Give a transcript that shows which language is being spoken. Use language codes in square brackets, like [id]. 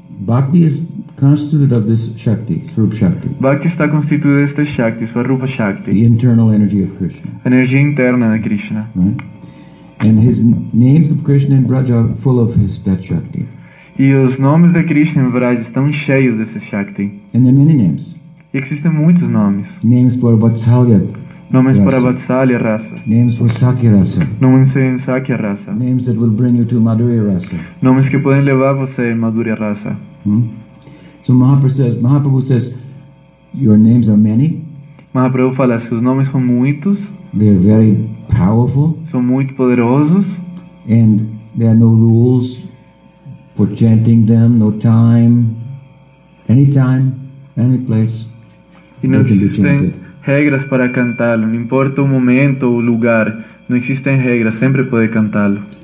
[en] Bhakti is constituted of this shakti, Swarupa Shakti. [pt] Bhakti está constituído deste shakti, Swarupa Shakti. [en] The internal energy of Krishna. [pt] A energia interna de Krishna. [en] Right? And his names of Krishna in Braj are full of his that shakti. [pt] E os nomes de Krishna em Braj estão cheios desse shakti. [en] And there are many names. [pt] E existem muitos nomes. [en] Names for Vatsalya. [pt] Nomes para Vatsalya raça. [en] Names for Sakya raça. [pt] Nomes em Sakya raça. [en] Names that will bring you to Madhurya raça. [pt] Nomes que podem levar você a Madhurya raça. [en] So Mahaprabhu says, your names are many. [pt] Mahaprabhu fala, seus nomes são muitos. [en] They are very powerful. [pt] São muito poderosos. [en] And there are no rules for chanting them, no time, any time, any place. [pt] E não existem regras para cantá-lo, não importa o momento ou lugar, não existem regras, sempre pode cantá-lo.